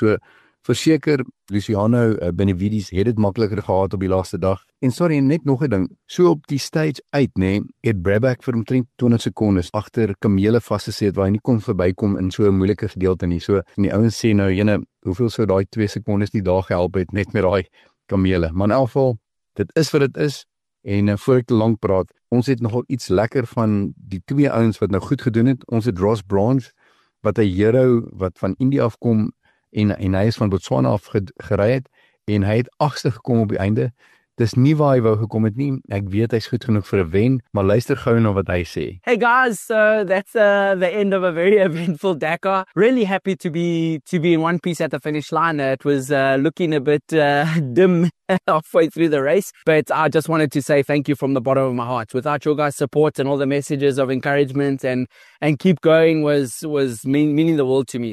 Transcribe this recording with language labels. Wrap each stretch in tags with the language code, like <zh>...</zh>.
<af>So, verseker, Luciano Benavides het dit makliker gehad op die laaste dag. En sorry, net nog 'n ding. So op die stage uit, nê, het Brabec vir omtrent 20 sekondes agter kamele vasgesit waar hy nie kon verbykom in so 'n moeilike gedeelte nie. So die ouens sê nou, jene, hoeveel sou daai 2 sekondes die dag gehelp het net met daai kamele? Maar in elk geval, dit is wat dit is. En voor ek te lank praat, ons het nogal iets lekker van die 2 ouens wat nou goed gedoen het. Ons het Ross Bronze, wat 'n hero wat van India afkom, en hy is van Botswana af gery het, en hy het 8ste gekom op die einde. Dis nie waar hy wou gekom het nie. Ek weet hy's goed genoeg vir 'n wen, maar luister gou na wat hy sê.</af> <en>Hey guys, so that's the end of a very eventful Dakar. Really happy to be in one piece at the finish line. It was looking a bit dim halfway through the race, but I just wanted to say thank you from the bottom of my heart. Without your guys' support and all the messages of encouragement and keep going was meaning the world to me.</en>